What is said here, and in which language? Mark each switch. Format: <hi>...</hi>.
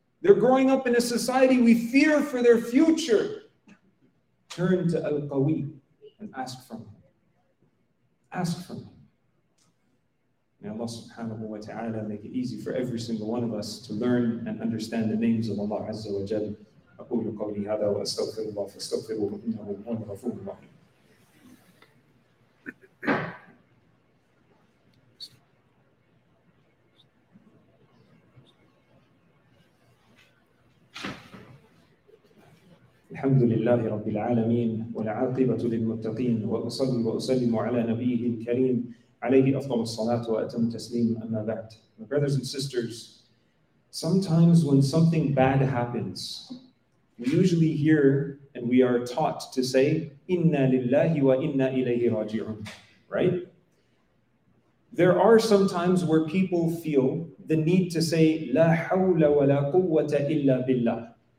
<en>They're growing up in a society we fear for their future. Turn to Al-Qawi and ask from him. Ask from him. May Allah subhanahu wa ta'ala make it easy for every single one of us to learn and understand the names of Allah Azza wa Jal.</en> <ar>أقول قولي هذا وأستغفر الله فاستغفره إنه هو الغفور الرحيم. الحمد لله رب العالمين والعاقبة للمتقين وأصلي وأسلم على نبيه الكريم عليه أفضل الصلاة وأتم التسليم أما بعد.</ar> <en>My brothers and sisters, sometimes when something bad happens, we usually hear and we are taught to say,</en> <ar>Inna lillahi wa inna ilayhi raji'un,</ar> <en>right? There are some times where people feel the need to say,</en> <ar>La hawla wa la quwwata illa billah.</ar>